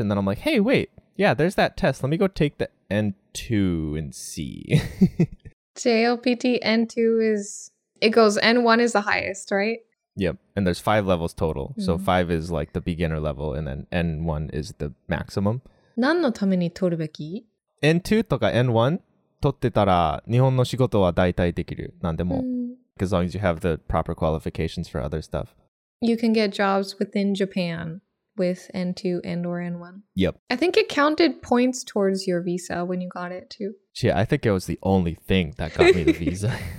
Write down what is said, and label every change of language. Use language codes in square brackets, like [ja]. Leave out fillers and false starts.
[en] And then I'm like, hey, wait, yeah, there's that test. Let me go take the N2 and see. JLPT N2 is, it goes N1 is the highest, right? Yep. And there's 5 levels total. Mm-hmm. So 5 is like the beginner level, and then N1 is the maximum. [ja] 何のために取るべき? N2 とか N1 取ってたら日本の仕事は大体できる。何でも。Mm-hmm. [en] As long as you have the proper qualifications for other stuff. You can get jobs within Japan with N2 and or N1. Yep. I think it counted points towards your visa when you got it too. Yeah, I think it was the only thing that got me the visa.